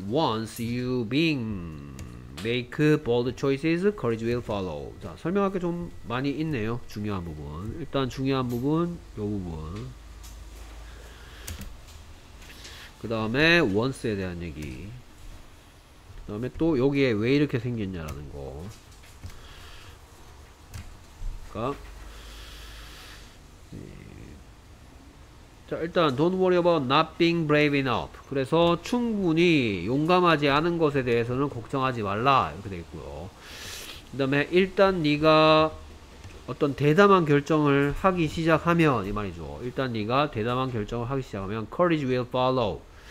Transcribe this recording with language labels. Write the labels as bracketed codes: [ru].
[en] Once you being make bold choices, courage will follow. [ko] 자, 설명할 게 좀 많이 있네요. 중요한 부분. 일단 중요한 부분, 요 부분. 그 다음에 once에 대한 얘기. 그 다음에 또 여기에 왜 이렇게 생겼냐라는 거. 그니까. 자, 일단 [en] don't worry about not being brave enough. [ko] 그래서 충분히 용감하지 않은 것에 대해서는 걱정하지 말라 이렇게 돼 있고요. 그 다음에 일단 네가 어떤 대담한 결정을 하기 시작하면 이 말이죠. 일단 네가 대담한 결정을 하기 시작하면 [en] courage will follow.